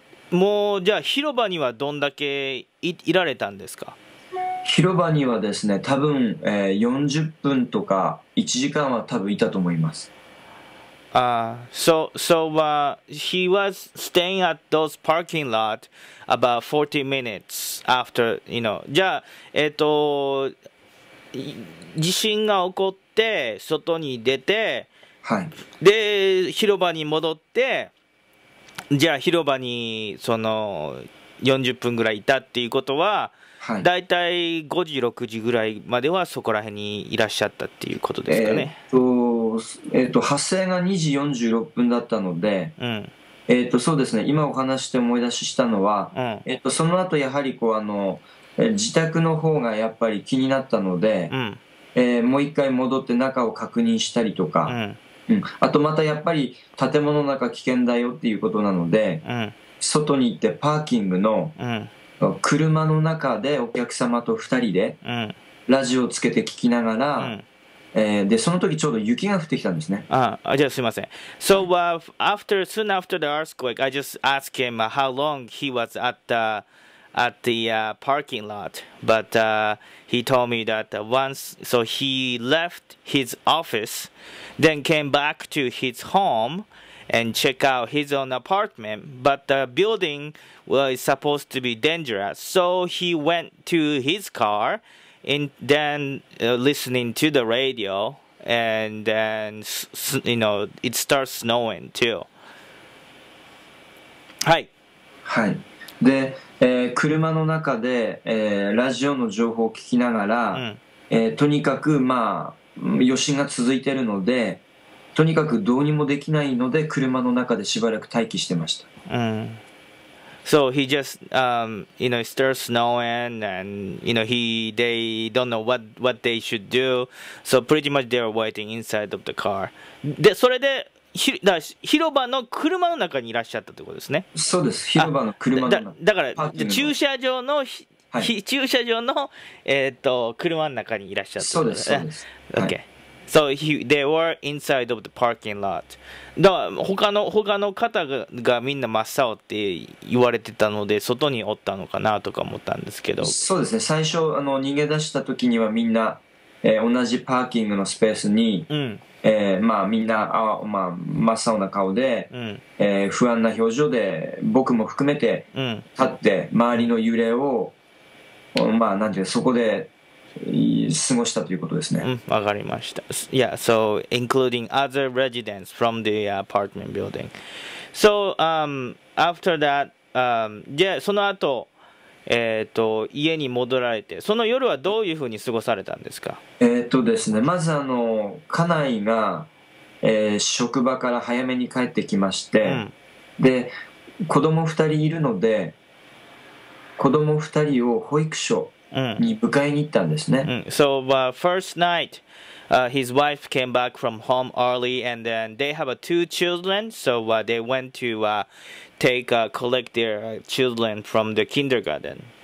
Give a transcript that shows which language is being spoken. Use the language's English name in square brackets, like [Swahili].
[Japanese] もうじゃあ広場にはどんだけ いられたんですか？広場にはですね、多分、40分とか1時間は多分いたと思います。 [English] He was staying at those parking lot about 40 minutes after, you know. [Japanese] じゃあ、地震が起こって外に出て、はい、で広場に戻って、じゃあ広場にその40分ぐらいいたっていうことは、はい、大体5時6時ぐらいまではそこら辺にいらっしゃったっていうことですかね。発生が2時46分だったので、うん、そうですね、今お話して思い出ししたのは、うん、その後やはりこう自宅の方がやっぱり気になったので、うん、もう一回戻って中を確認したりとか、うんうん、あとまたやっぱり建物の中危険だよっていうことなので、うん、外に行ってパーキングの車の中でお客様と2人でラジオをつけて聞きながら、うん、でその時ちょうど雪が降ってきたんですね。ああ、じゃあすいません。 [English] So after, soon after the earthquake, I just asked him how long he was at the parking lot, but he told me that once, so he left his office, then came back to his home and check out his own apartment, but the building was supposed to be dangerous, so he went to his car and then listening to the radio, and then you know it starts snowing too. Hi. Hi. [Japanese] The車の中で、ラジオの情報を聞きながら、うん、とにかく、まあ、余震が続いているので、とにかくどうにもできないので車の中でしばらく待機してました、 [English] うん、So he just you know, starts snowing and you know, they don't know what they should do, so pretty much they are waiting inside of the car. [Japanese] で、それでだ広場の車の中にいらっしゃったということですね。そうです、広場の車の中。だから駐車場の、はい、駐車場の、車の中にいらっしゃったんですね。そうです、そうです。 [English] OK、はい、So they were inside of the parking lot. [Japanese] だから他の方 がみんな真っ青って言われてたので、外におったのかなとか思ったんですけど。そうですね、最初逃げ出した時にはみんな、同じパーキングのスペースに、うん、まあ、みんなあ、まあ、真っ青な顔で、うん、不安な表情で僕も含めて立って、うん、周りの揺れを、まあ、なんていうか、そこで過ごしたということですね。わ、うん、かりました。 [English] Yeah, so including other residents from the apartment building. So after that, yeah, [Japanese] その後、家に戻られて、その夜はどういうふうに過ごされたんですか？ですね、まず家内が、職場から早めに帰ってきまして、うん、で子供2人いるので子供2人を保育所に迎えに行ったんですね、 [English] うんうん、So first night, his wife came back from home early, and then they have two children, so they went to take collect their children from the kindergarten.